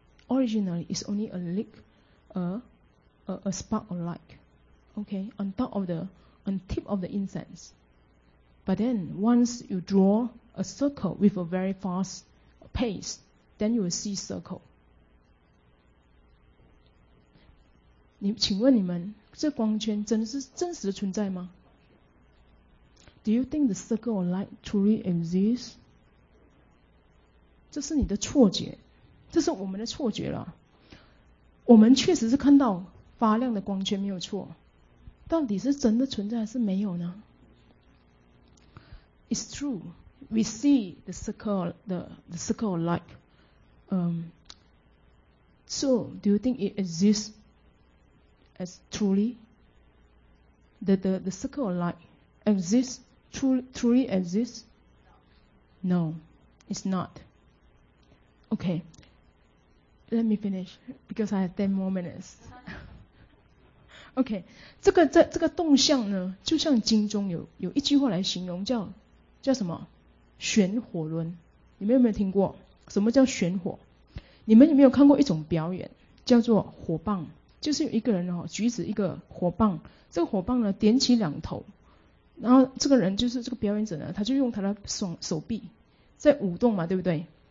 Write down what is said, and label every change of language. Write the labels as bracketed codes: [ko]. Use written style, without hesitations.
[en] Originally, it's only a lick, a spark of light, okay, on tip of the incense. But then, once you draw a circle with a very fast pace, then you will see circle. [zh] 请问你们，这光圈是真实的存在吗？ [en] Do you think the circle of light truly exists? [zh] 这是你的错觉。这是我们的错觉了，我们确实是看到发亮的光圈没有错，到底是真的存在还是没有呢？ [en] It's true, we see the circle of light. So do you think it exists as truly? The circle of light exists, truly exists? No, it's not. Okay. Let me finish, because I have 10 more minutes. [zh] Okay, 这个动向呢，就像经中有一句话来形容，叫什么？旋火轮。你们有没有听过？什么叫旋火？你们有没有看过一种表演叫做火棒，就是有一个人、哦、举着一个火棒，这个火棒呢点起两头，然后这个人就是这个表演者呢，他就用他的手臂在舞动嘛，对不对？